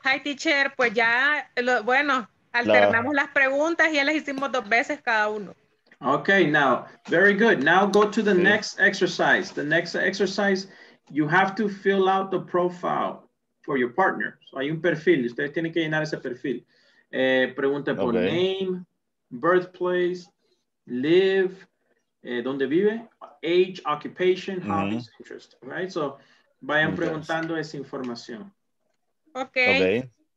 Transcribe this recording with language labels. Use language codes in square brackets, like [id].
[en] Hi, teacher, [es] pues ya, bueno, alternamos las preguntas y ya las hicimos dos veces cada uno. [en] Okay, now, very good. Now go to the next exercise. The next exercise, you have to fill out the profile for your partner. [es] So hay un perfil, ustedes tienen que llenar ese perfil. Pregunta por name, birthplace, live, donde vive, age, occupation, hobbies, interest, right? So vayan preguntando esa información. [en] Okay.